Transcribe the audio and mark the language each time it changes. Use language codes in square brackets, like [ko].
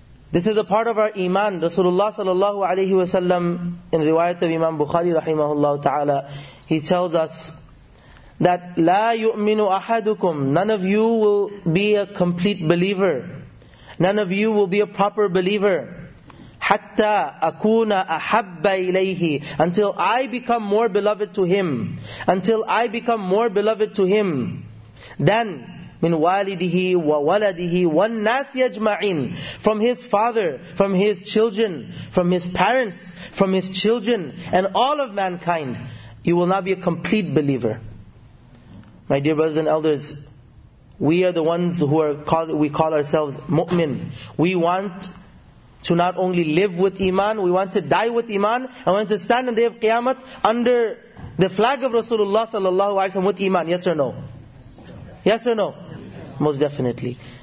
[en] This is a part of our iman. Rasulullah sallallahu alayhi wa sallam, in riwayat of Imam Bukhari rahimahullah ta'ala, he tells us that [ar] لا يؤمن أحدكم. [en] None of you will be a complete believer. None of you will be a proper believer. [ar] حتى أكون أحب إليه. [en] Until I become more beloved to him. Until I become more beloved to him. Then [ar] من والده وولده والناس يجمعين. [en] From his father, from his children, from his parents, from his children, and all of mankind, you will not be a complete believer. My dear brothers and elders, we are the ones who are called, we call ourselves mu'min. We want to not only live with iman, we want to die with iman, and we want to stand on the day of qiyamah under the flag of Rasulullah sallallahu alaihi wasallam with iman. Yes or no? Yes or no? Most definitely.